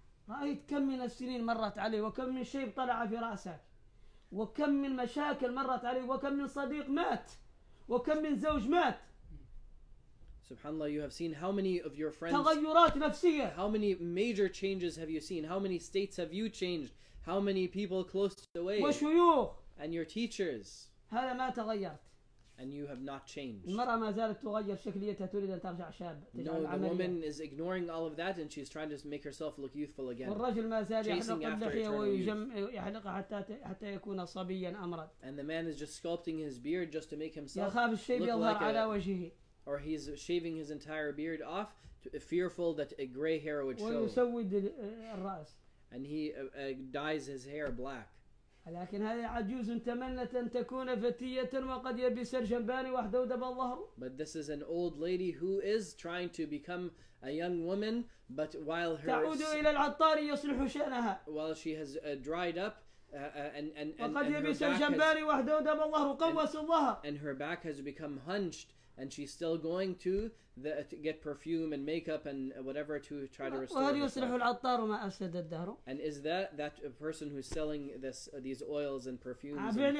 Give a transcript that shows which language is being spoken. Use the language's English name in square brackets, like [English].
[Arabic] رأيت كم من السنين مرت عليه وكم من شيء طلع في رأسك وكم من مشاكل مرت عليه وكم من صديق مات وكم من زوج مات. [English] SubhanAllah, you have seen how many of your friends... [Arabic] تغيرات نفسية. [English] How many major changes have you seen? How many states have you changed? How many people close away? [Arabic] وشيوخ. [English] And your teachers. [Arabic] هذا ما تغيرت. [English] And you have not changed. [Arabic] المرأة ما زالت تغير شكليتها تريد أن ترجع شاب. [English] No, the عملية. Woman is ignoring all of that and she's trying to make herself look youthful again. [Arabic] والرجل ما زال يحلق اللحيه ويحلق حتى يكون صبيا أمرد. [English] And the man is just sculpting his beard just to make himself [Arabic] يخاف الشيب [English] look [Arabic] يظهر [English] like [Arabic] على [English] a... [Arabic] وجهه. [English] Or he's shaving his entire beard off, fearful that a gray hair would show. [Arabic] ويسود الرأس. [English] And he dyes his hair black. [Arabic] لكن هذه عجوز تمنت أن تكون فتية وقد يبس الجنبان وحدود بالله. [English] But this is an old lady who is trying to become a young woman, but while her [Arabic] تعود إلى العطار يصلح شأنها. [English] While she has dried up. [Arabic] وقد يبس الجنبان وحدود بالله قوس الله. [English] And her back has become hunched. And she's still going to get perfume and makeup and whatever to try to restore her. And is that a person who's selling these oils and perfumes?